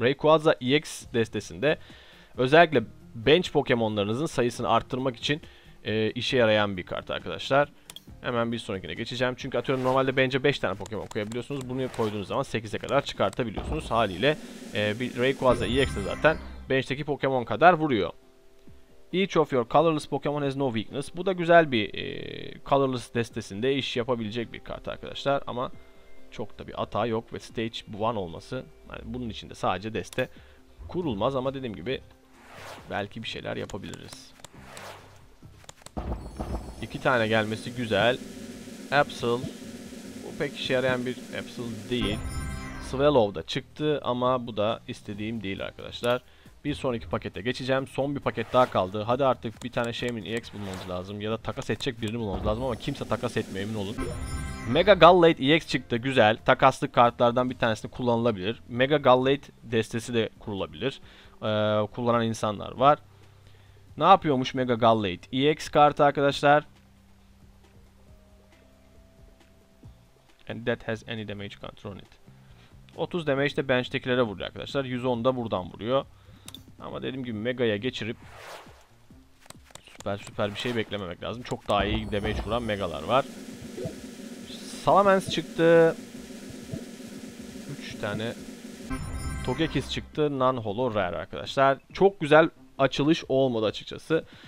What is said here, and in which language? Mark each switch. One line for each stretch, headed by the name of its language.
Turkish: Rayquaza EX destesinde özellikle bench Pokemon'larınızın sayısını arttırmak için işe yarayan bir kart arkadaşlar. Hemen bir sonrakine geçeceğim. Çünkü atıyorum normalde bench'e 5 tane Pokemon koyabiliyorsunuz. Bunu koyduğunuz zaman 8'e kadar çıkartabiliyorsunuz. Haliyle bir Rayquaza EX de zaten bench'teki Pokemon kadar vuruyor.
English: Each of your colorless Pokemon has no weakness.
Turkish: Bu da güzel bir colorless destesinde iş yapabilecek bir kart arkadaşlar. Ama çok da bir hata yok ve stage 1 olması, yani bunun içinde sadece deste kurulmaz ama dediğim gibi belki bir şeyler yapabiliriz. İki tane gelmesi güzel. Absol, bu pek işe yarayan bir Absol değil. Swallow da çıktı ama bu da istediğim değil arkadaşlar. Bir sonraki pakete geçeceğim. Son bir paket daha kaldı. Hadi artık bir tane Shaymin EX bulmamız lazım. Ya da takas edecek birini bulmamız lazım ama kimse takas etmiyor, emin olun. Mega Gallade EX çıktı. Güzel. Takaslı kartlardan bir tanesini kullanılabilir. Mega Gallade destesi de kurulabilir. Kullanan insanlar var. Ne yapıyormuş Mega Gallade EX kartı arkadaşlar?
English: And that has any damage counter on it.
Turkish: 30 damage de bench'tekilere vuruyor arkadaşlar. 110 da buradan vuruyor. Ama dediğim gibi Mega'ya geçirip süper bir şey beklememek lazım. Çok daha iyi damage vuran Mega'lar var. Salamence çıktı. 3 tane Togekiss çıktı. Non Holo Rare arkadaşlar. Çok güzel açılış olmadı açıkçası.